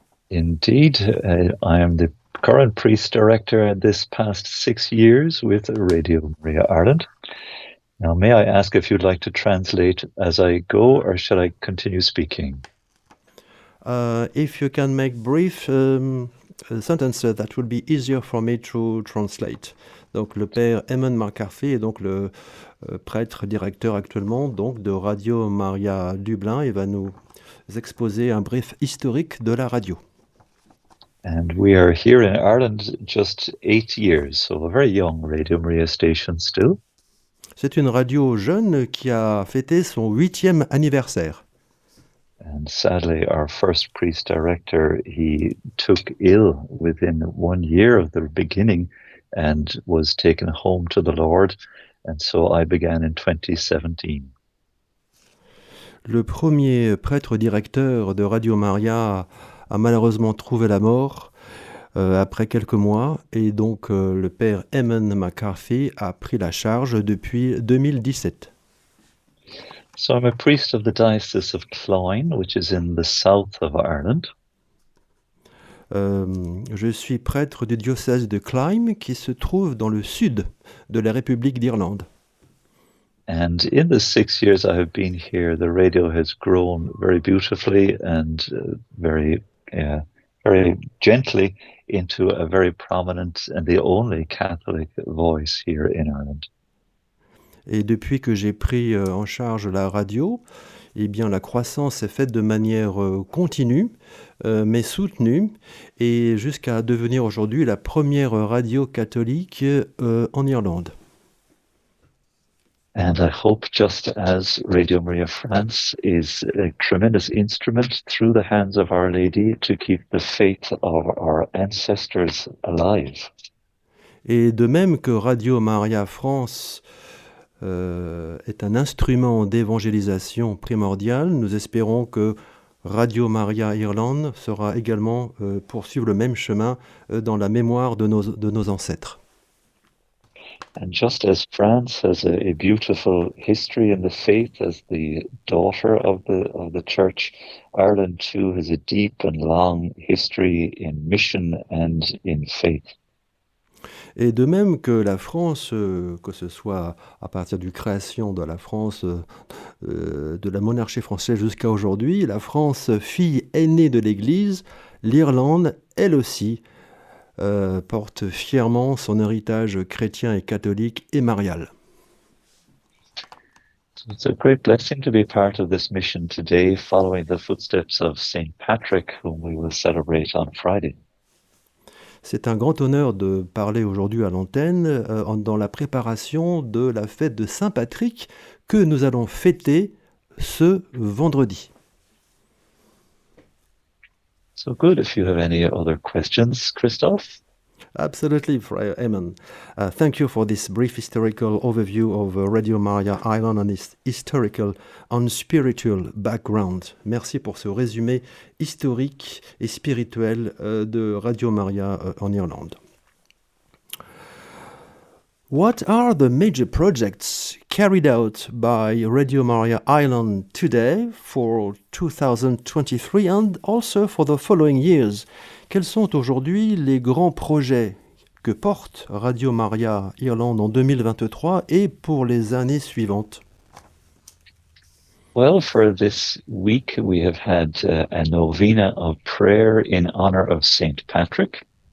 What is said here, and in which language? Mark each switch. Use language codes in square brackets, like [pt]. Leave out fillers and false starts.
[en] Indeed, I am the current priest director in this past 6 years with Radio Maria Ireland. Now, may I ask if you'd like to translate as I go, or should I continue speaking? If you can make brief sentences, that would be easier for me to translate. [fr] Donc, le père Eamon McCarthy est donc le prêtre directeur actuellement donc de Radio Maria Dublin et va nous exposer un brief historique de la radio. [en] And we are here in Ireland just 8 years, so a very young Radio Maria station still. [fr] C'est une radio jeune qui a fêté son 8e anniversaire. [en] And sadly, our first priest director, he took ill within 1 year of the beginning and was taken home to the Lord. And so I began in 2017. [fr] Le premier prêtre directeur de Radio Maria a malheureusement trouvé la mort après quelques mois. Et donc le père Eamon McCarthy a pris la charge depuis 2017. [en] So I'm a priest of the Diocese of Cloyne, which is in the south of Ireland. [fr] Je suis prêtre du diocèse de Cloyne, qui se trouve dans le sud de la République d'Irlande. [en] And in the 6 years I have been here, the radio has grown very beautifully and very gently into a very prominent and the only Catholic voice here in Ireland. [fr] Et depuis que j'ai pris en charge la radio, eh bien la croissance est faite de manière continue, mais soutenue, et jusqu'à devenir aujourd'hui la première radio catholique en Irlande. [en] And I hope just as Radio Maria France is a tremendous instrument through the hands of Our Lady to keep the faith of our ancestors alive. [fr] Et de même que Radio Maria France est un instrument d'évangélisation primordial. Nous espérons que Radio Maria Irlande sera également poursuivre le même chemin dans la mémoire de nos ancêtres. [en] And just as France has a beautiful history in the faith as the daughter of the church, Ireland too has a deep and long history in mission and in faith. [fr] Et de même que la France, que ce soit à partir de la création de la France, de la monarchie française jusqu'à aujourd'hui, la France, fille aînée de l'Église, l'Irlande, elle aussi, porte fièrement son héritage chrétien et catholique et marial. [en] It's a great blessing to be part of this mission today, following the footsteps of Saint Patrick, whom we will celebrate on Friday. [fr] C'est un grand honneur de parler aujourd'hui à l'antenne dans la préparation de la fête de Saint-Patrick que nous allons fêter ce vendredi. [en] So good if you have any other questions, Christophe. Absolutely, Friar Eamon. Thank you for this brief historical overview of Radio Maria Ireland and its historical and spiritual background. [fr] Merci pour ce résumé historique et spirituel de Radio Maria en Irlande. [en] What are the major projects carried out by Radio Maria Ireland today for 2023 and also for the following years. [fr] Quels sont aujourd'hui les grands projets que porte Radio Maria Irlande en 2023 et pour les années suivantes? [en] Well, for this week, we have had a novena of prayer in honor of Saint Patrick.